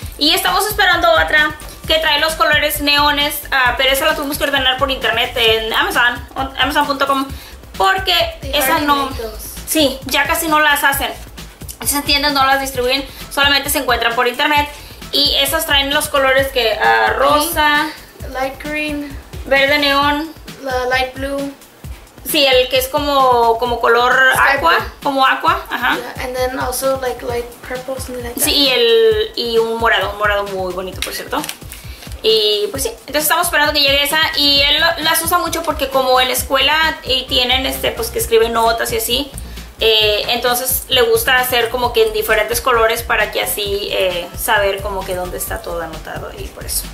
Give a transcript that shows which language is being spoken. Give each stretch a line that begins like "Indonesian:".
Spanish: Y estamos esperando otra que trae los colores neones, pero esa la tuvimos que ordenar por internet en Amazon, Amazon.com, porque esa no, sí, ya casi no las hacen. Esas tiendas no las distribuyen, solamente se encuentran por internet. Y esas traen los colores que rosa,
English: light green,
Spanish: verde neón,
English: light blue.
Spanish: Sí, el que es como color aqua, como aqua, ajá.
English: Yeah, and then also like light purple, something like
Spanish: that. Sí, y un morado muy bonito, por cierto. Y pues sí, entonces estamos esperando que llegue esa y él las usa mucho porque como en la escuela y tienen pues que escribe notas y así. Entonces le gusta hacer como que en diferentes colores para que así saber como que dónde está todo anotado y por eso.